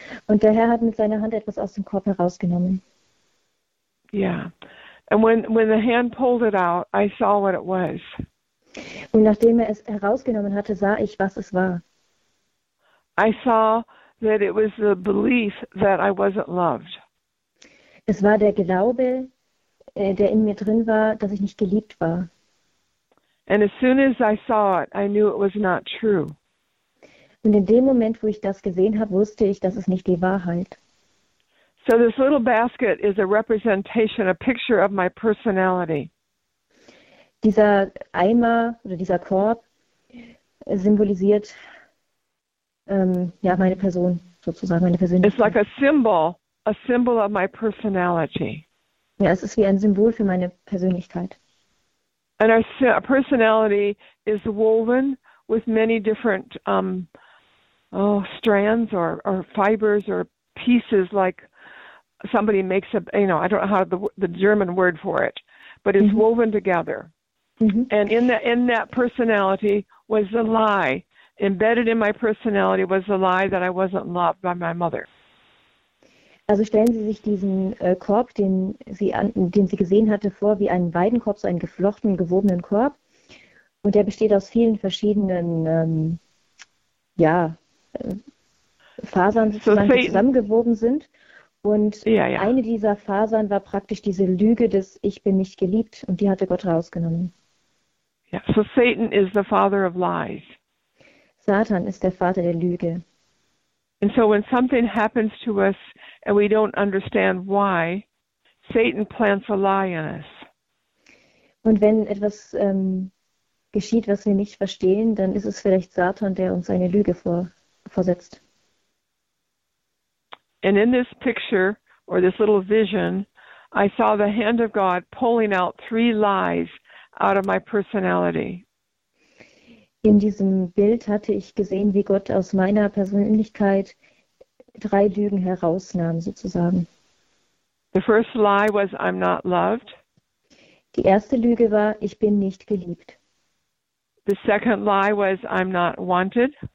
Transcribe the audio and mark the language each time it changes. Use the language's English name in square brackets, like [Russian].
[German] Und der Herr hat mit seiner Hand etwas aus dem Korb herausgenommen. [English] Yeah. And when the hand pulled it out, I saw what it was. [German] Und nachdem er es herausgenommen hatte, sah ich, was es war. [English] I saw that it was the belief that I wasn't loved. [German] Es war der Glaube, der in mir drin war, dass ich nicht geliebt war. [English] And as soon as I saw it, I knew it was not true. [German] Und in dem Moment, wo ich das gesehen habe, wusste ich, dass es nicht die Wahrheit. [English] So this little basket is a representation, a picture of my personality. [German] Dieser Eimer oder dieser Korb symbolisiert ja, meine Person, sozusagen meine Persönlichkeit. [English] It's like a symbol of my personality. [German] Ja, es ist wie ein Symbol für meine Persönlichkeit. [English] And our personality is woven with many different strands or fibers or pieces, like somebody makes a, you know, I don't know how the German word for it, but it's woven together. And in that personality was a lie. Embedded in my personality was a lie that I wasn't loved by my mother. [German] Also stellen Sie sich diesen Korb, den sie gesehen hatte, vor wie einen Weidenkorb, so einen geflochtenen, gewobenen Korb. Und der besteht aus vielen verschiedenen Fasern, die zusammengewoben sind. Und eine dieser Fasern war praktisch diese Lüge des Ich bin nicht geliebt. Und die hatte Gott rausgenommen. [English] Yeah, so Satan is the father of lies. [German] Satan ist der Vater der Lüge. [English] And so when something happens to us and we don't understand why, Satan plants a lie in us. [German] Und wenn etwas geschieht, was wir nicht verstehen, dann ist es vielleicht Satan, der uns eine Lüge vorsetzt. [English] And in this picture or this little vision, I saw the hand of God pulling out three lies out of my personality. [German] In diesem Bild hatte ich gesehen, wie Gott aus meiner Persönlichkeit drei Lügen herausnahm, sozusagen. [English] The first lie was, I'm not loved. [German] Die erste Lüge war, ich bin nicht geliebt. [English] The second lie was, I'm not wanted.